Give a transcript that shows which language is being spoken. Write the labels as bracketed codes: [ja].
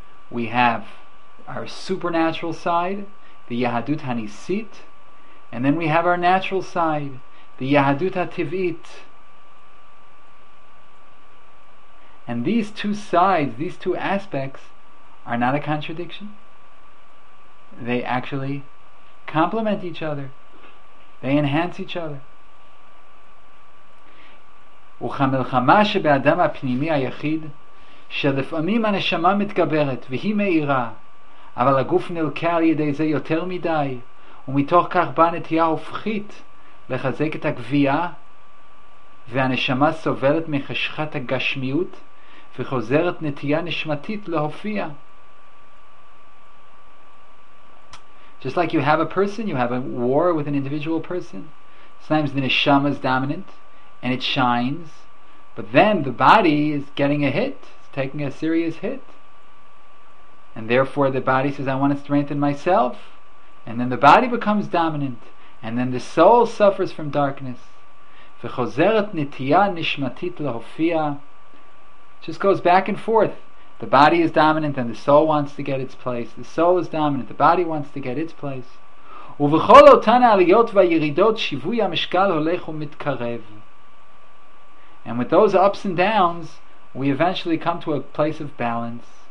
[en] We have our supernatural side, the Yahadut HaNisit, and then we have our natural side, the Yahadut HaTivit. And these two sides, these two aspects, are not a contradiction. They actually complement each other. They enhance each other. [he] וחמלחמה שבאדם הפנימי היחיד שלפעמים הנשמה מתגברת והיא מאירה אבל הגוף נלקה על ידי זה יותר מדי ומתוך כך באה נטייה הופכית לחזק את הגבייה והנשמה סובלת מחשכת הגשמיות וחוזרת נטייה נשמתית להופיע. [en] Just like you have a person, you have a war with an individual person. Sometimes the neshama is dominant and it shines, but then the body is getting a hit, it's taking a serious hit. And therefore the body says, I want to strengthen myself. And then the body becomes dominant, and then the soul suffers from darkness. [he] V'chozeret nitiya nishmatit lahofia. [en] Just goes back and forth. The body is dominant and the soul wants to get its place. The soul is dominant, the body wants to get its place. [he] ובכל אותן העליות והירידות שיווי המשקל הולך ומתקרב. [en] And with those ups and downs, we eventually come to a place of balance.